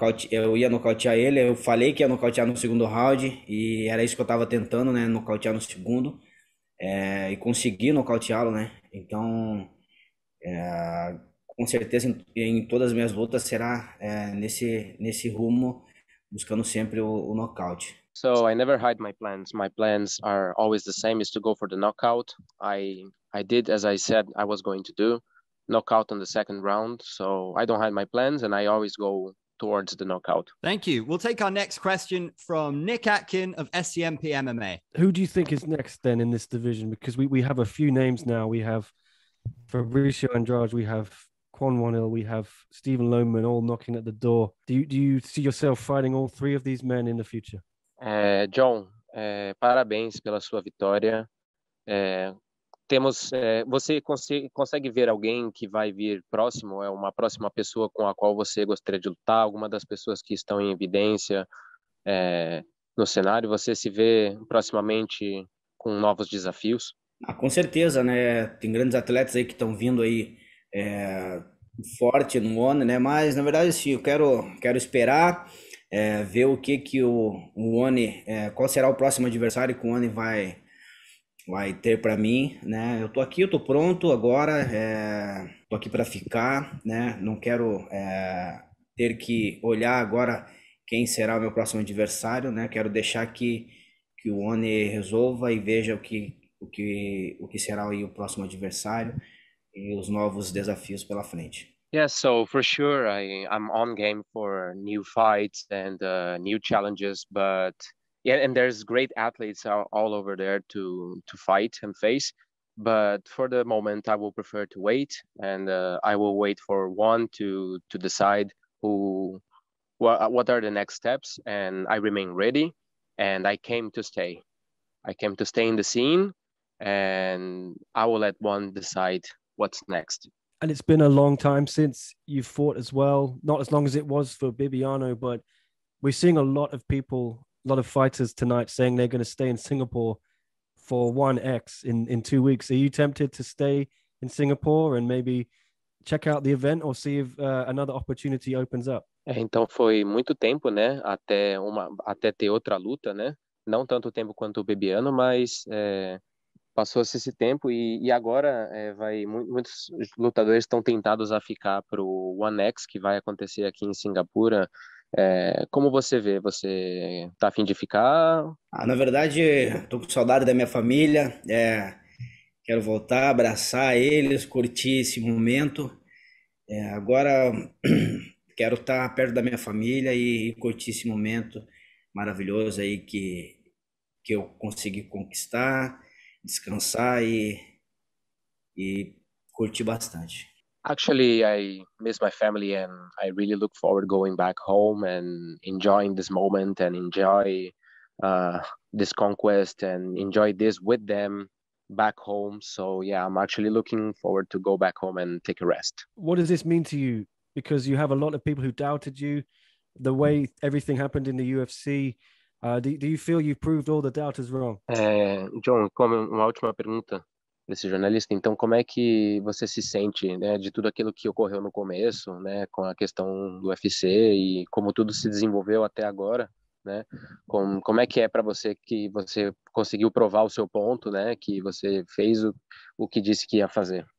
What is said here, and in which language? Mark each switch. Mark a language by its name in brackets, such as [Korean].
[Portuguese] Eu ia nocautear ele. Eu falei que ia nocautear no segundo round. E era isso que eu tava tentando, né? Nocautear no segundo. E consegui nocauteá-lo, né? Então... com certeza em todas as minhas lutas será nesse rumo, buscando sempre o nocaute. [English] So I never hide my plans. My plans are always the same, is to go for the knockout. I did as I said I was going to do, knockout on the second round. So I don't hide my plans and I always go towards the knockout. Thank you. We'll take our next question from Nick Atkin of SCMP MMA. Who do you think is next then in this division? Because we have a few names now. We have Fabricio Andrade, we have Quan Wanil, we have Stephen Lohmann all knocking at the door. Do you see yourself fighting all three of these men in the future? [Portuguese] John, parabéns pela sua vitória. Temos, você consegue ver alguém que vai vir próximo? É uma próxima pessoa com a qual você gostaria de lutar? Alguma das pessoas que estão em evidência no cenário? Você se vê proximamente com novos desafios? Ah, com certeza, né? Tem grandes atletas aí que estão vindo aí forte no ONE, né? Mas, na verdade, sim, eu quero esperar, ver o que o ONE, qual será o próximo adversário que o ONE vai ter para mim, né? Eu tô aqui, eu tô pronto agora, tô aqui para ficar, né? Não quero ter que olhar agora quem será o meu próximo adversário, né? Quero deixar que o ONE resolva e veja o que será aí o próximo adversário e os novos desafios pela frente. [English] Yeah, so for sure I'm on game for new fights and new challenges, but yeah, and there's great athletes all over there to fight and face, but for the moment I will prefer to wait and I will wait for one to decide what are the next steps, and I remain ready and I came to stay. I came to stay in the scene. And I will let one decide what's next. And it's been a long time since you fought as well. Not as long as it was for Bibiano, but we're seeing a lot of people, a lot of fighters tonight saying they're going to stay in Singapore for 1X in 2 weeks. Are you tempted to stay in Singapore and maybe check out the event or see if another opportunity opens up? [Portuguese] Então foi muito tempo, né? Até ter outra luta, né? Não tanto tempo quanto o Bibiano, mas... passou-se esse tempo e agora vai muitos lutadores estão tentados a ficar para o One X que vai acontecer aqui em Singapura. Como você vê? Você está a fim de ficar? Ah, na verdade, tô com saudade da minha família. Quero voltar, abraçar eles, curtir esse momento. Agora quero estar perto da minha família e curtir esse momento maravilhoso aí que eu consegui conquistar, descansar e curtir bastante. [English] Actually, I miss my family and I really look forward going back home and enjoying this moment and enjoy this conquest and enjoy this with them back home. So yeah, I'm actually looking forward to go back home and take a rest. What does this mean to you? Because you have a lot of people who doubted you, the way everything happened in the UFC. Do you feel you've proved all the doubters wrong? [Portuguese] John, como uma última pergunta desse jornalista, então como é que você se sente, né, de tudo aquilo que ocorreu no começo, né, com a questão do UFC e como tudo se desenvolveu até agora, né? Como é que é para você que você conseguiu provar o seu ponto, né, que você fez o que disse que ia fazer?